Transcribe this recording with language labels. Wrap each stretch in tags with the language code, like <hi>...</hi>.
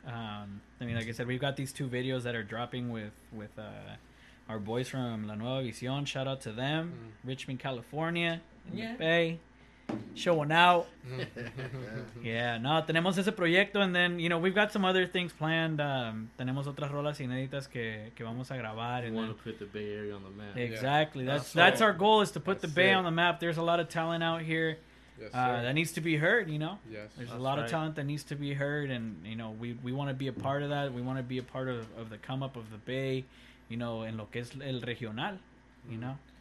<en>I mean, like I said, we've got these two videos that are dropping with our boys from La Nueva Vision. Shout out to them. Mm. Richmond, California. Yeah. Bay. Showing out. Yeah, no,</en> <es>tenemos ese proyecto.</es> <en>And then, you know, we've got some other things planned.</en> <es>Tenemos otras rolas inéditas que vamos a grabar.</es> <en>We want to put the Bay Area on the map. Exactly. Yeah. That's our goal, is to put the Bay on the map. There's a lot of talent out here. Yes, sir. That needs to be heard, you know. Yes, there's a lot of talent that needs to be heard, and you know, we want to be a part of that. We want to be a part of the come up of the Bay, you know,</en> <es>en lo que es el regional,</es> <en>you know.</en>